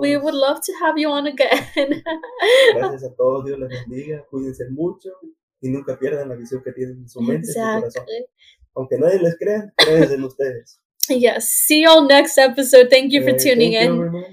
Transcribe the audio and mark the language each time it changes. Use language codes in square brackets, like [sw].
[en] We would love to have you on again. [es] Gracias a todos, Dios les bendiga, cuídense mucho y nunca pierdan la visión que tienen en su mente, [en] exactly. [es] Y su corazón. Aunque nadie les crea, crees en ustedes. [en] Yes, see you all next episode. Thank you for tuning in.